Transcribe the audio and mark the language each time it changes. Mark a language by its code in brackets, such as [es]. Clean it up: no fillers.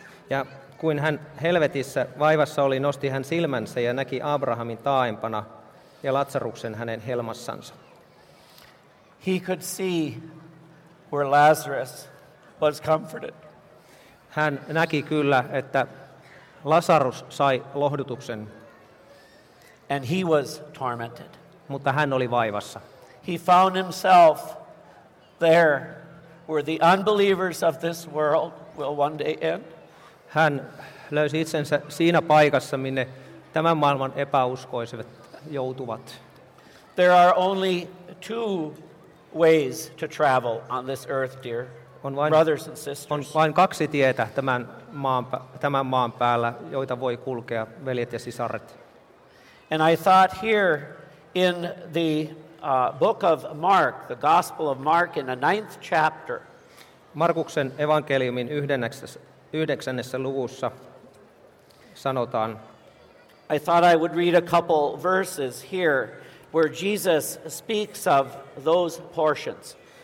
[fi] Ja kuin hän helvetissä vaivassa oli, nosti hän silmänsä ja näki Abrahamin taaempana ja Lazaruksen hänen helmassansa. [en] He could see where Lazarus was comforted. [fi] Hän näki kyllä, että Lazarus sai lohdutuksen. [en] And he was tormented. [fi] Mutta hän oli vaivassa. [en] He found himself there where the unbelievers of this world will one day end. [fi] Hän löysi itsensä siinä paikassa, minne tämän maailman epäuskoiset joutuvat. [en] There are only two ways to travel on this earth, dear brothers and sisters. [fi] On vain kaksi tietä tämän maan päällä, joita voi kulkea, veljet ja sisaret. [en] And I thought here in the book of Mark, the Gospel of Mark in the 9th chapter. [fi] Markuksen evankeliumin 9. luvussa sanotaan. [en] I thought I would read a couple verses here where Jesus speaks of those portions.